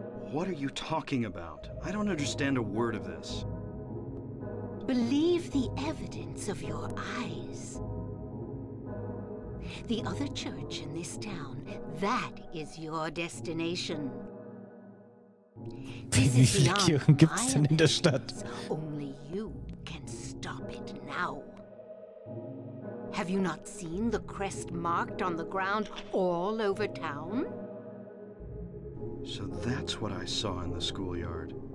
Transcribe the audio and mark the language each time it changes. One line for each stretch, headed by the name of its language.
English: What are you talking about? I don't understand a word of this. Believe the evidence of your eyes. The other church in this town, that is your destination.
German: Wie viele Kirchen gibt es denn in der Stadt?
English: Only you can stop it now. Have you not seen the crest marked on the ground all over town? So that's what I saw in the schoolyard.